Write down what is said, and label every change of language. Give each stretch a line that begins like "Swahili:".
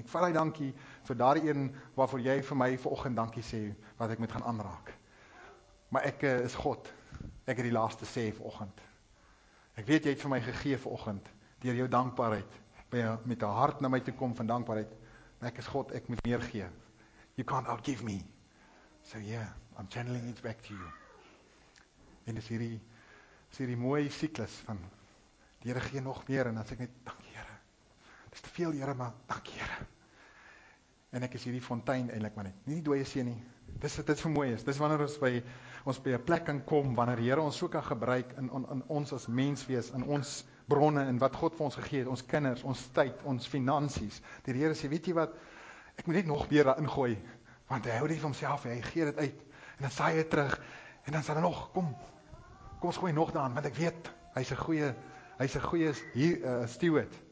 Afrikaans: Ek vat hy dankie vir daai een, waarvoor jy vir my vanoggend dankie sê, wat ek moet gaan aanraak. Maar ek is God. Ek het die laaste sê vanoggend. Ek weet, jy het vir my gegee vanoggend, deur jou dankbaarheid, met die hart na my te kom van dankbaarheid, maar ek is God, ek moet meer gee.
English: You can't outgive me. So yeah, I'm channeling it back to you.
Afrikaans: En dis hierdie mooi siklus van, die Here gee nog meer, en dan sê ek net, dankie Here. Dis te veel Here, maar dankie Here. En ek is hierdie fontein, eintlik maar net, nie die dooie see nie, dis wat dit vir mooi is, dis wanneer ons by 'n plek kan kom, wanneer die Here ons so kan gebruik, in ons as menswees, in ons bronne, en wat God vir ons gegee het, ons kinders, ons tyd, ons finansies, die Here sê, weet jy wat, ek moet net nog meer daar ingooi, want hy hou dit vir homself, hy gee dit uit, en dan saai hy het terug, en dan sal hy nog, kom ons gooi nog daan, want ek weet, hy is een goeie steward.